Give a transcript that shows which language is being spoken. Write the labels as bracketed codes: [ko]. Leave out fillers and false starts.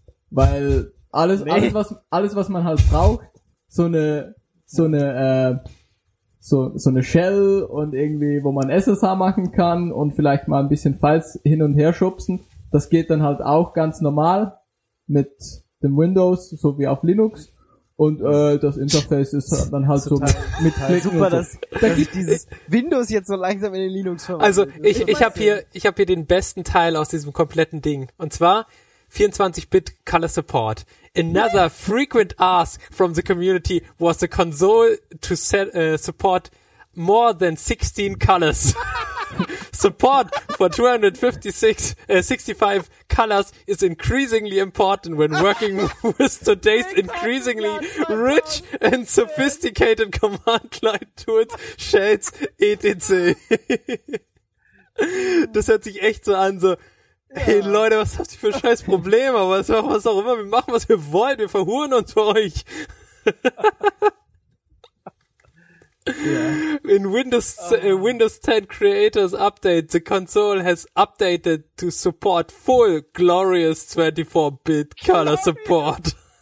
[de] weil alles was man halt braucht, so eine Shell und irgendwie, wo man SSH machen kann und vielleicht mal ein bisschen Files hin und her schubsen, das geht dann halt auch ganz normal mit dem Windows, so wie auf Linux. Und das Interface ist dann halt so mit Klicken super, und so. Dass ich dieses Windows jetzt so langsam in den Linux verwandelt. Also ich habe hier den besten Teil aus diesem kompletten Ding. Und zwar, [en] 24-Bit Color Support. Another frequent ask from the community was the console to set, support more than 16 colors. Support for 265 colors is increasingly important when working with today's increasingly rich and sophisticated command line tools, shades, etc. [de] Das hört sich echt so an, so, hey Leute, was habt ihr für scheiß Probleme, was, was auch immer, wir machen, was wir wollen, wir verhuren uns für euch. [en] Yeah. In Windows Windows 10 Creators Update, the console has updated to support full glorious 24-bit color support.